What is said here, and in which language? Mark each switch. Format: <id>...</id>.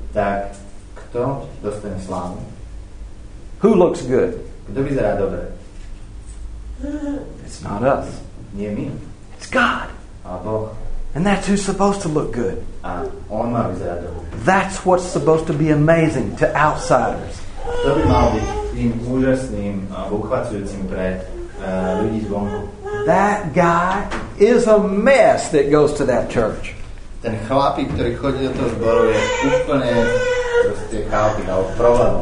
<sk>Tak kto dostane slávu?</sk> <en>Who looks good?</en> <sk>Kto vyzerá dobre?</sk> <en>It's not us.</en> <sk>Nie my.</sk> <en>It's God.</en> <sk>A Boh.</sk> <en>And that's who's supposed to look good.</en> <sk>A on má vyzerať dobre.</sk> <en>That's what's supposed to be amazing to outsiders.</en> <sk>To by mal byť tým úžasným a uchvacujúcim pre ľudí zvonku.</sk> <en>That guy is a mess that goes to that church.</en> <sk>Ten chlapík, ktorý chodí do toho zboru, je úplne proste chlapík, alebo problém.</sk>